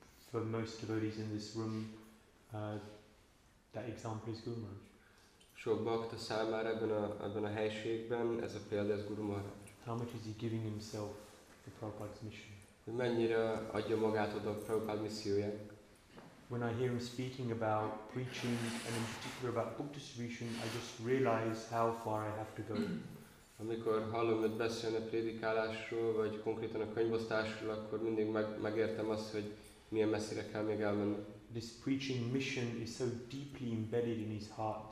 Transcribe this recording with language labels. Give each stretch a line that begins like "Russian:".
English: For most devotees in this room, that example is Guru Maharaj.
Hungarian: Sok bakta számára ebben a helységben ez a példa az Guru Maharaj.
English: How much is he giving himself to Prabhupada's mission?
Hungarian: Mennyire adja magát oda Prabhupada misszióját?
English: When I hear him speaking about preaching and in particular about book distribution, I just realize how far I have to go.
Hungarian: Amikor hallom őt beszélni a prédikálásról, vagy konkrétan a könyvosztásról, akkor mindig megértem azt, hogy milyen messzire kell még elmenni.
English: This preaching mission is so deeply embedded in his heart.